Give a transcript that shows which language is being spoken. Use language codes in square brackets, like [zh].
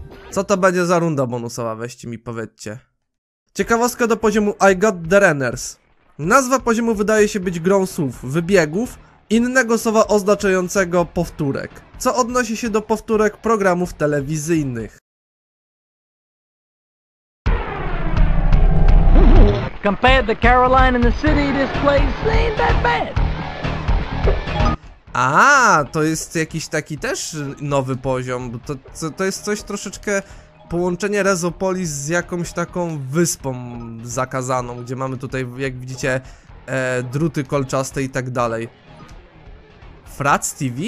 [pl] Co to będzie za runda bonusowa, weźcie mi powiedzcie. Ciekawostka do poziomu I Got The Runners. Nazwa poziomu wydaje się być grą słów wybiegów, innego słowa oznaczającego powtórek. Co odnosi się do powtórek programów telewizyjnych. [en] Compared to Caroline in the City, this place ain't that bad. [pl] Aaa, to jest jakiś taki też nowy poziom. To jest coś troszeczkę połączenie Rezopolis z jakąś taką wyspą zakazaną, gdzie mamy tutaj, jak widzicie, druty kolczaste i tak dalej. Frac TV?